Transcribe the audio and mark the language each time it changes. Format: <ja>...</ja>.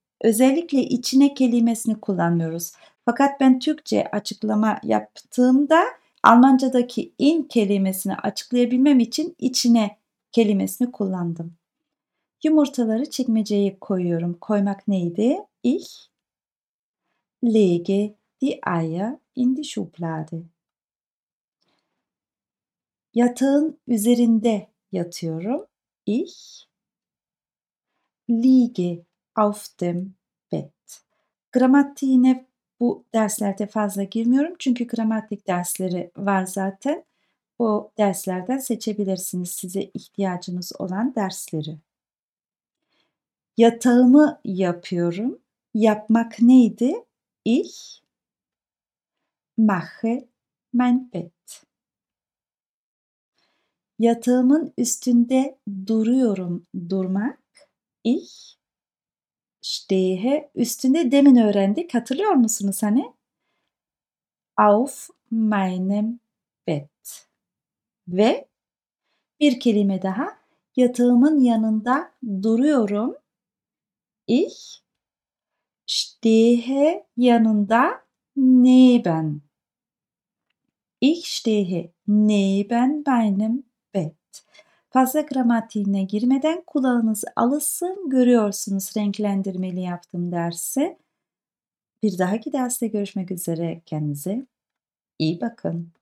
<tr>Özellikle içine kelimesini kullanmıyoruz. Fakat ben Türkçe açıklama yaptığımda Almanca'daki in kelimesini açıklayabilmem için içine kelimesini kullandım. Yumurtaları çekmeceye koyuyorum. Koymak neydi?</tr> <de>Ich lege die Eier in die Schublade.</de> <tr>Yatağın üzerinde yatıyorum.</tr> <de>Ich liege auf dem Bett.</de> <tr>Gramatiğine bu derslerde fazla girmiyorum. Çünkü gramatik dersleri var zaten. O derslerden seçebilirsiniz size ihtiyacınız olan dersleri. Yatağımı yapıyorum. Yapmak neydi?</tr> <de>Ich mache mein Bett.</de> <tr>Yatağımın üstünde duruyorum, durmak.</tr> <de>Ich stehe.</de> <tr>Üstünde demin öğrendik. Hatırlıyor musunuz hani?</tr> <de>Auf meinem Bett.</de> <tr>Ve bir kelime daha. Yatağımın yanında duruyorum.</tr> <de>Ich stehe</de> <tr>yanında</tr> <de>neben. Ich stehe neben meinem Bett.</de> <tr>Fazla gramatiğine girmeden kulağınız alışsın. Görüyorsunuz renklendirmeli yaptım dersi. Bir dahaki derste görüşmek üzere. Kendinize iyi bakın.</tr>